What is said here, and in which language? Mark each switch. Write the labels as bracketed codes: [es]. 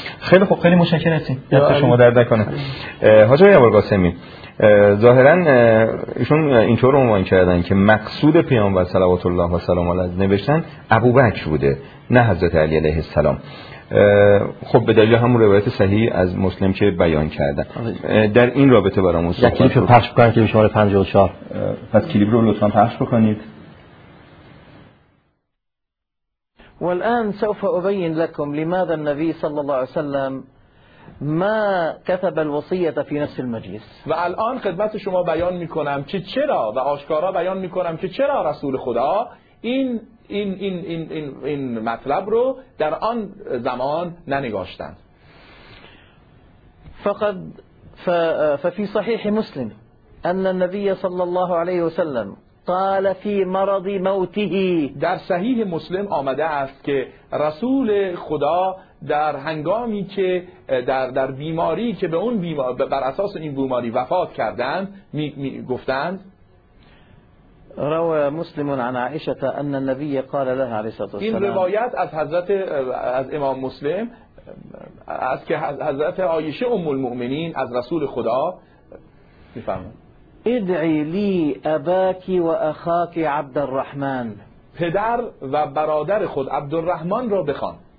[fa] خیلی خوب، خیلی متشکرم دست شما درد نکنه. حاجی ابوالقاسمی ظاهرا ایشون اینطور عنوان کردن که مقصود پیامبر صلوات الله و سلام علیه نوشتن ابوبکر بوده نه حضرت علی علیه السلام. خب به دلیل همون روایت صحیح از مسلم که بیان کردن در این رابطه برامون صحبت کنید. کلیپ رو پخش بکنید که شماره 54 پس کلیپ رو لطفا پخش بکنید. [ar] والآن سوف أبين لكم لماذا النبي صلى الله عليه وسلم ما كتب الوصية في نفس المجلس. [fa] و الان خدمت شما بیان میکنم که چرا و آشکارا بیان میکنم که چرا رسول خدا این مطلب رو در آن زمان ننگاشتند. [ar] فقد ففي صحيح مسلم ان النبي صلى الله عليه وسلم قال في مرض موته. [fa] در صحیح مسلم آمده است که رسول خدا در هنگامی که در بیماری که به اون بیمار بر اساس این بیماری وفات کردند می گفتند. [ar] روى مسلم عن عائشة أن النبي قال لها عليه الصلاة والسلام. [fa] این روایت از حضرت از امام مسلم از که حضرت عایشه ام المؤمنین از رسول خدا میفرمایند. [ar] ادعی لی اباکی و اخاکی عبد الرحمن. [fa] پدر و برادر خود عبدالرحمن را بخوان.